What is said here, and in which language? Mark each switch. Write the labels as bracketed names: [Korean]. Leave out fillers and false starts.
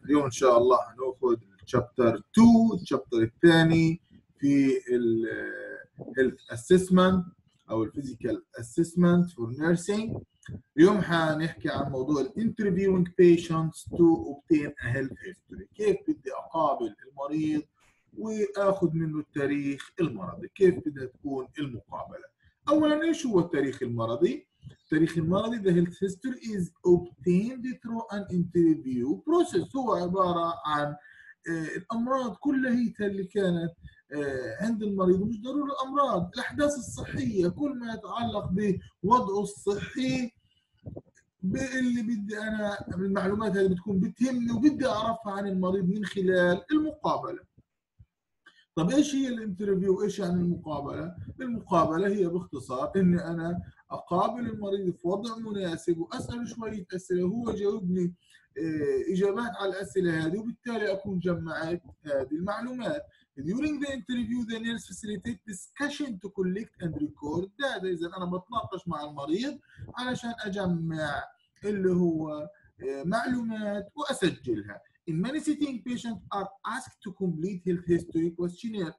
[Arabic] اليوم إن شاء الله هنأخذ chapter 2، الشابتر الثاني في الـ health assessment أو [English] physical assessment for nursing. [Arabic] اليوم هنحكي عن موضوع [English] interviewing patients to obtain a health history، [Arabic] كيف بدي أقابل المريض وآخذ منه التاريخ المرضي، كيف بدها تكون المقابلة. أولا، إيش هو التاريخ المرضي؟ التاريخ المرضي [English] the health history is obtained through an interview process. [Arabic] هو عبارة عن الأمراض كلها اللي كانت عند المريض، مش ضروري الأمراض، الأحداث الصحية، كل ما يتعلق بوضعه الصحي اللي بدي أنا، المعلومات هذه بتكون بتهمني وبدي أعرفها عن المريض من خلال المقابلة. طب إيش هي الانترفيو وإيش يعني المقابلة؟ المقابلة هي باختصار إني أنا أقابل المريض في وضع مناسب وأسأل شوية أسئلة، هو جاوبني إجابات على الأسئلة هذه، وبالتالي أكون جمعت هذه المعلومات. [English] During the interview, the nurse facilitates discussion to collect and record data. [Arabic] إذا أنا بتناقش مع المريض علشان أجمع اللي هو معلومات وأسجلها. [English] In many settings, patients are asked to complete health history questionnaire.